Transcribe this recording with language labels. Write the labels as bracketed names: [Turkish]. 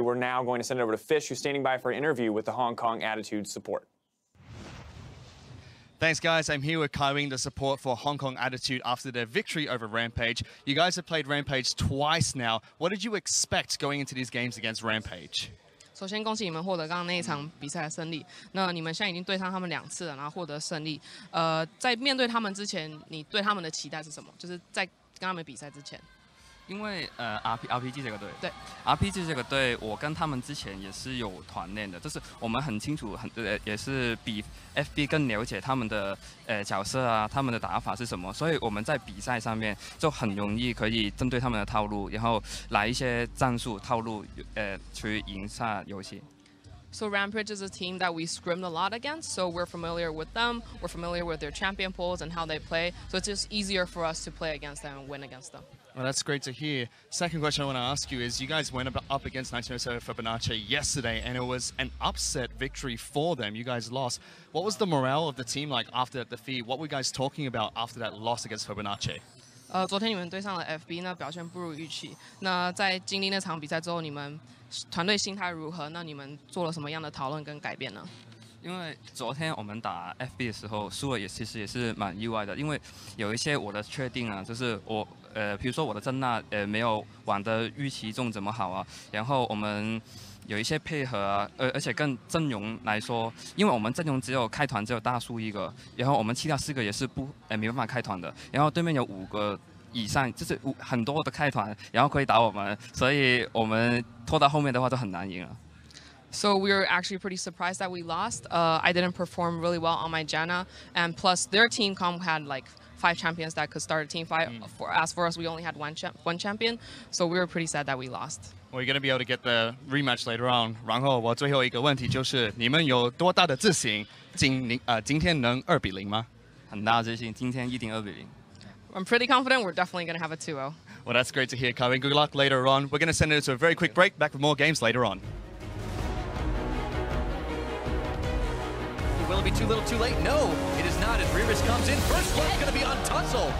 [English] We're now going to send it over to Fish, who's standing by for an interview with the Hong Kong Attitude support. Thanks, guys. I'm here with Kaiwing, the support for Hong Kong Attitude after their victory over Rampage. You guys have played Rampage twice now. What did you expect going into these games against Rampage? [Chinese] 首先恭喜你们获得刚刚那一场比赛的胜利。那你们现在已经对上他们两次了，然后获得胜利。在面对他们之前，你对他们的期待是什么？就是在跟他们比赛之前。因为RPG这个队，我跟他们之前也是有团练的，就是我们很清楚，也是比 FB 更了解他们的角色啊，他们的打法是什么，所以我们在比赛上面就很容易可以针对他们的套路，然后来一些战术套路，去赢下游戏。 [English] So Rampage is a team that we scrimmed a lot against, so we're familiar with them. We're familiar with their champion pools and how they play, so it's just easier for us to play against them and win against them. Well, that's great to hear. Second question I want to ask you is, you guys went up against 1907 Fibonacci yesterday, and it was an upset victory for them. You guys lost. What was the morale of the team like after that defeat? What were you guys talking about after that loss against Fibonacci? [Chinese] 昨天你们对上了 FB， 那表现不如预期。那在经历那场比赛之后，你们团队心态如何？那你们做了什么样的讨论跟改变呢？因为昨天我们打 FB 的时候输了也其实也是蛮意外的，因为有一些我的确定啊，就是我，比如说我的珍娜没有玩的预期中怎么好啊，然后我们有一些配合啊，而且跟阵容来说，因为我们阵容只有开团只有大树一个，然后我们其他四个也是没办法开团的，然后对面有五个。以上就是很多的开团，然后可以打我们，所以我们拖到后面的话就很难赢了。 [English] So we were actually pretty surprised that we lost. I didn't perform really well on my Janna, and plus their team comp had like five champions that could start a team fight. As for us, we only had one champion, so we were pretty sad that we lost. Well, you're gonna be able to get the rematch later on. [Chinese] 然后我最后一个问题就是，你们有多大的自信？今天能2-0吗？很大自信，今天一定2-0。 [English] I'm pretty confident we're definitely going to have a 2-0. Well, that's great to hear, Kaiwing. Good luck later on. We're going to send it to a very quick break. Back with more games later on. Will it be too little too late? No, it is not. As Riris comes in, first blood is going to be on Tussle.